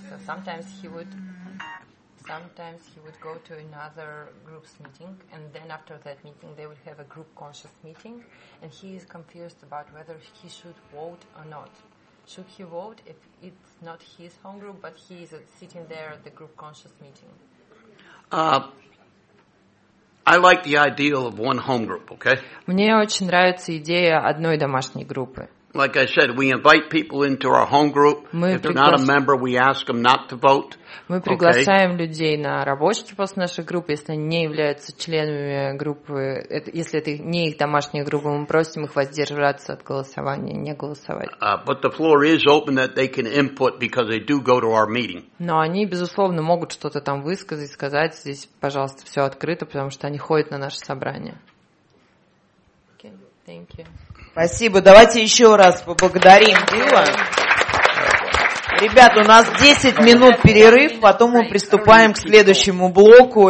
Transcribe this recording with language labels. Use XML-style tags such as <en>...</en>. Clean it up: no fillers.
<en>So sometimes he would go to another group's meeting, and then after that meeting they would have a group conscious meeting, and he is confused about whether he should vote or not. Should he vote if it's not his home group, but he is sitting there at the group conscious meeting? I like the ideal of one home group. Okay.</en> <ru>Мне очень нравится идея одной домашней группы.</ru> <en>Like I said, we invite people into our home group. If they're not a member, we ask them not to vote.</en> <ru>Мы приглашаем людей на рабочий пост нашей группы, если они не являются членами группы, если это не их домашняя группа, мы просим их воздержаться от голосования, не голосовать.</ru> <en>But the floor is open that they can input because they do go to our meeting.</en> <ru>Но они безусловно могут что-то там высказать, сказать здесь, пожалуйста, все открыто, потому что они ходят на наше собрание.</ru> <en>Okay, thank you.</en> <ru>Спасибо. Давайте еще раз поблагодарим Дилла. Ребята, у нас 10 минут перерыв, потом мы приступаем к следующему блоку.</ru>